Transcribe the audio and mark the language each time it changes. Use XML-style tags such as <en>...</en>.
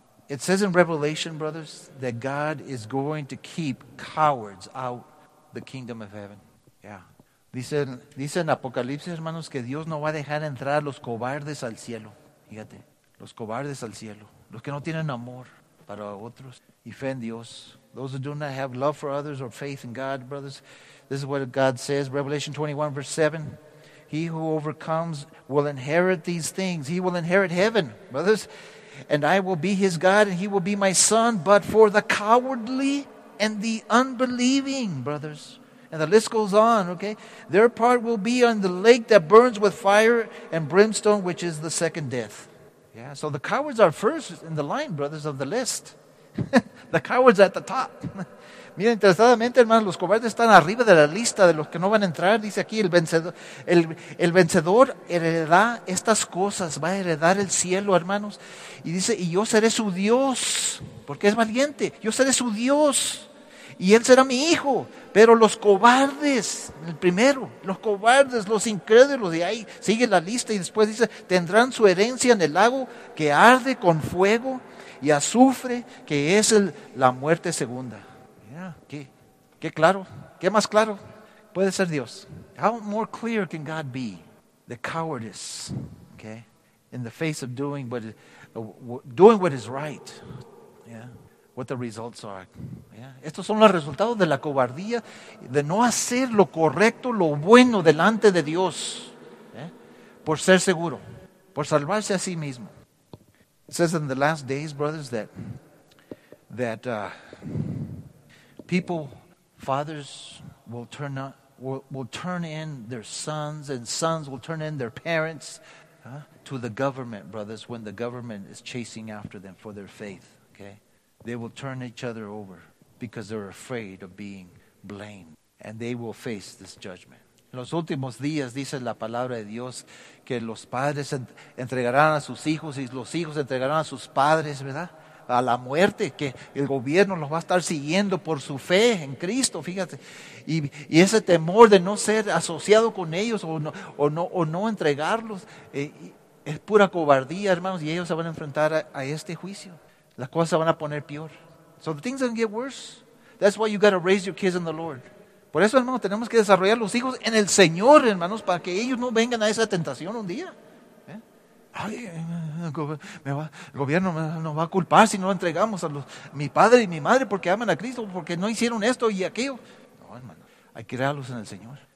<en>It says in Revelation, brothers, that God is going to keep cowards out the kingdom of heaven. Yeah.</en> <es>Dice en Apocalipsis, hermanos, que Dios no va a dejar entrar los cobardes al cielo. Fíjate, los cobardes al cielo. Los que no tienen amor para otros y fe en Dios.</es> <en>Those who do not have love for others or faith in God, brothers. This is what God says, Revelation 21, verse 7. He who overcomes will inherit these things. He will inherit heaven, brothers. And I will be his God and he will be my son. But for the cowardly and the unbelieving, brothers. And the list goes on, okay? Their part will be on the lake that burns with fire and brimstone, which is the second death. Yeah, so the cowards are first in the line, brothers of the list. The cowards at the top.</en> <es>Mira, interesadamente, hermanos, los cobardes están arriba de la lista de los que no van a entrar. Dice aquí, el vencedor heredará estas cosas, va a heredar el cielo, hermanos. Y dice, y yo seré su Dios, porque es valiente. Yo seré su Dios, y él será mi hijo. Pero los cobardes, el primero, los cobardes, los incrédulos, y ahí sigue la lista. Y después dice, tendrán su herencia en el lago que arde con fuego y azufre, que es la muerte segunda. ¿Qué claro? ¿Qué más claro? Puede ser Dios.</es> <en>How more clear can God be? The cowardice, okay, in the face of doing what is right. Yeah, what the results are. Yeah.</en> <es>Estos son los resultados de la cobardía, de no hacer lo correcto, lo bueno delante de Dios, yeah, por ser seguro, por salvarse a sí mismo.</es> <en>It says in the last days, brothers, that people, fathers will turn in their sons, and sons will turn in their parents to the government, brothers, when the government is chasing after them for their faith, okay? They will turn each other over because they're afraid of being blamed, and they will face this judgment.</en> <es>En los últimos días, dice la palabra de Dios, que los padres entregarán a sus hijos y los hijos entregarán a sus padres, ¿verdad? A la muerte, que el gobierno los va a estar siguiendo por su fe en Cristo, fíjate. Y ese temor de no ser asociado con ellos o no entregarlos es pura cobardía, hermanos, y ellos se van a enfrentar a este juicio. Las cosas se van a poner peor.</es> <en>So the things don't get worse. That's why you got to raise your kids in the Lord.</en> <es>Por eso, hermanos, tenemos que desarrollar los hijos en el Señor, hermanos, para que ellos no vengan a esa tentación un día. Ay, el gobierno nos va a culpar si no entregamos a mi padre y mi madre porque aman a Cristo, porque no hicieron esto y aquello. No, hermano, hay que crearlos en el Señor.</es>